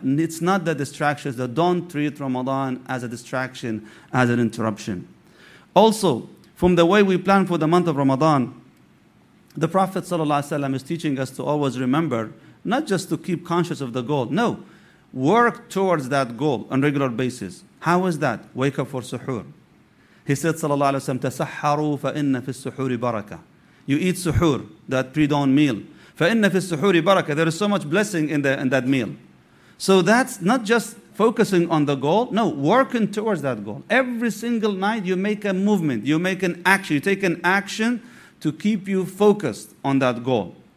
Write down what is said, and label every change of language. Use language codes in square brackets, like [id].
[en] It's not the distractions. Don't treat Ramadan as a distraction, as an interruption. Also, from the way we plan for the month of Ramadan, the Prophet ﷺ is teaching us to always remember, not just to keep conscious of the goal. No, work towards that goal on a regular basis. How is that? Wake up for suhoor. He said, [ar] ﷺ, تَسَحَّرُوا فَإِنَّ فِي السُّحُورِ بَرَكَةً. [en] You eat suhoor, that pre-dawn meal. [ar] فَإِنَّ فِي السُّحُورِ بَرَكَةً. [en] There is so much blessing in that meal. So that's not just focusing on the goal. No, working towards that goal. Every single night you make a movement. You make an action. You take an action to keep you focused on that goal.